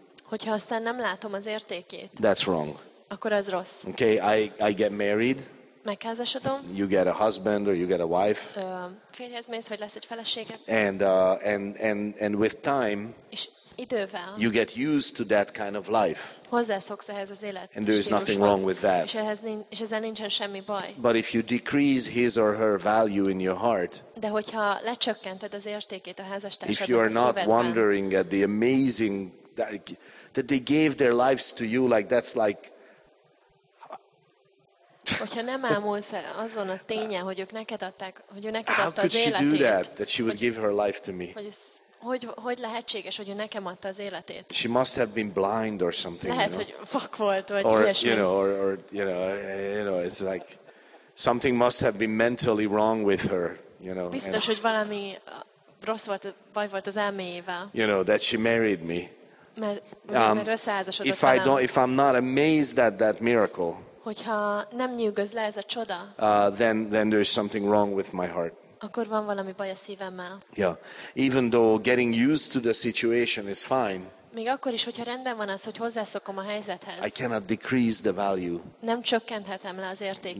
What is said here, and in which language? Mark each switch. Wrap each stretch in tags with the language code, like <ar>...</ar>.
<hu>hogyha aztán nem látom az értékét,</hu> <en>that's wrong.</en> <hu>Akkor az rossz.</hu> <en>Okay, I get married.</en> <hu>Megházasodom.</hu> <en>You get a husband or you get a wife.</en> <hu>Férjhez mész, vagy lesz egy feleséged.</hu> <en>And with time,</en> <hu>és idővel.</hu> <en>You get used to that kind of life.</en> <hu>Hozzászoksz ehhez az élet.</hu> <en>And there is nothing wrong with that.</en> <hu>És ezzel nincsen semmi baj.</hu> <en>But if you decrease his or her value in your heart.</en> <hu>De hogyha lecsökkented az értékét a házastársadnak.</hu> <en>If you are not wondering at the amazing that they gave their lives to you, like that's like.</en> <hu>Hogyha nem ámulsz azon a tényen, hogy ők neked adták, hogy ő neked adta az életét.</hu> <en>How could she do that? That she would give her life to me.</en> <hu>Hogy lehetséges, hogy ő nekem adta az életét?</hu> <en>She must have been blind or something.</en> <hu>Hogy vak volt vagy ilyesmi.</hu> <en>Or you know, it's like something must have been mentally wrong with her, you know.</en> <hu>Biztos, hogy valami rossz volt, baj volt az elméjével.</hu> <en>You know that she married me.</en> <hu>Mert összeházasodott velem.</hu> <en>If I'm not amazed at that miracle.</en> <hu>Hogyha nem nyűgöz le ez a csoda.</hu> <en>Then there is something wrong with my heart.</en> <hu>Akkor van valami baj a szívemmel.</hu> <en>Yeah. Even though getting used to the situation is fine.</en> <hu>Még akkor is, hogyha rendben van az, hogy hozzászokom a helyzethez.</hu> <en>I cannot decrease the value.</en> <hu>Nem csökkenthetem le az értékét.</hu>